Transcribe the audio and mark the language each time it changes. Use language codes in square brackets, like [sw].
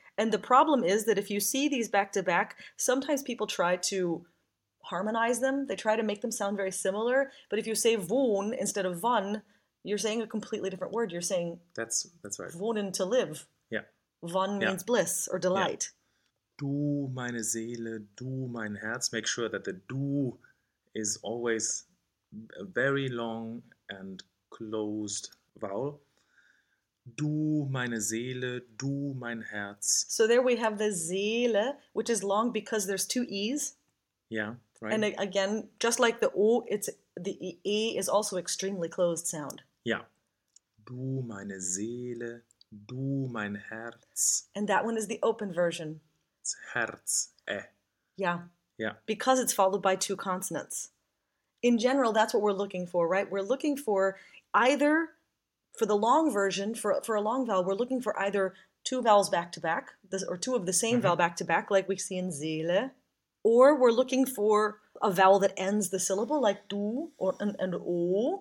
[en] And the problem is that if you see these back to back, sometimes people try to harmonize them. They try to make them sound very similar. But if you say Wohn instead of Wonne, you're saying a completely different word. You're saying that's right. Wohnen, to live. Yeah. Wonne means bliss or delight. Yeah. [de] Du meine Seele, du mein Herz. [en] Make sure that the du is always a very long and closed vowel. [de] Du meine Seele, du mein Herz. [en] So there we have the Seele, which is long because there's two E's. Yeah, right. And again, just like the O, it's the E is also extremely closed sound. Yeah. [de] Du meine Seele, du mein Herz. [en] And that one is the open version. It's Herz, E. Yeah. Yeah. Because it's followed by two consonants. In general, that's what we're looking for, right? We're looking for either, for the long version, for a long vowel, we're looking for either two vowels back-to-back, or two of the same vowel back-to-back, like we see in Seele, or we're looking for a vowel that ends the syllable, like du or an o.